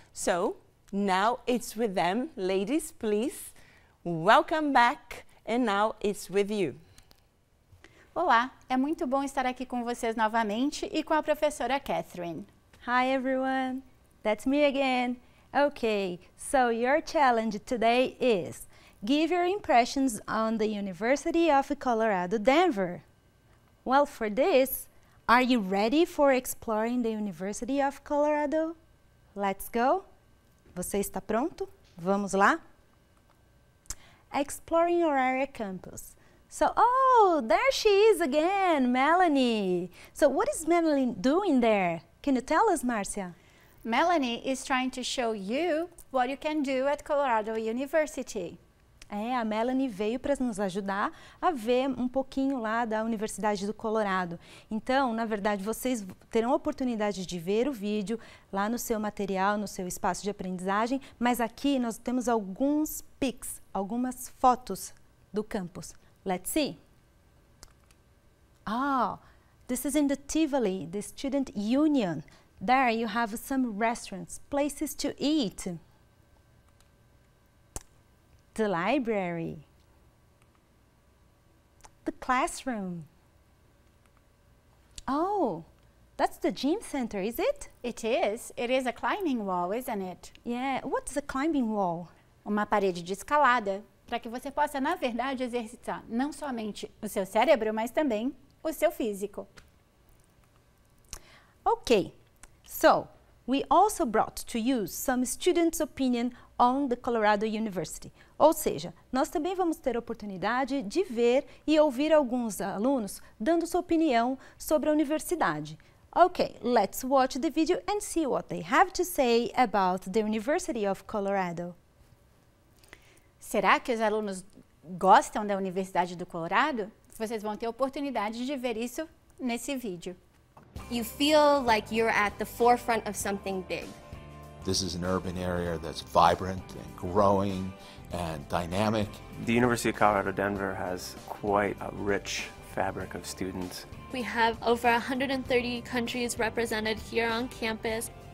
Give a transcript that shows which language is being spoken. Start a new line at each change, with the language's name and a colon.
English: So, now it's with them, ladies, please, welcome back, and now it's with you.
Portuguese: Olá, é muito bom estar aqui com vocês novamente e com a professora Katherine.
English: Hi, everyone, that's me again. Okay, so your challenge today is give your impressions on the University of Colorado, Denver. Well, for this, are you ready for exploring the University of Colorado? Let's go!
Portuguese: Você está pronto? Vamos lá?
English: Exploring your area campus. So, oh, there she is again, Melanie. So, what is Melanie doing there? Can you tell us, Marcia? Melanie is trying to show you what you can do at Colorado University.
Portuguese: A Melanie veio para nos ajudar a ver pouquinho lá da Universidade do Colorado. Então, na verdade, vocês terão a oportunidade de ver o vídeo lá no seu material, no seu espaço de aprendizagem, mas aqui nós temos alguns pics, algumas fotos do campus.
English: Let's see. Oh, this is in the Tivoli, the Student Union. There you have some restaurants, places to eat. The library, the classroom. Oh, That's the gym center, is it? It is. It is a climbing wall, isn't it? Yeah. What's a climbing wall?
Portuguese: Uma parede de escalada, para que você possa, na verdade, exercitar não somente o seu cérebro, mas também o seu físico.
English: Okay. So, we also brought to you some students' opinion on the Colorado University.
Portuguese: Ou seja, nós também vamos ter a oportunidade de ver e ouvir alguns alunos dando sua opinião sobre a universidade.
English: Okay, let's watch the video and see what they have to say about the University of Colorado.
Portuguese: Será que os alunos gostam da Universidade do Colorado? Vocês vão ter a oportunidade de ver isso nesse vídeo.
English: You feel like you're at the forefront of something big. This is an urban area that's vibrant and growing and dynamic. The University of Colorado Denver has quite a rich fabric of students. We have over 130 countries represented here on campus.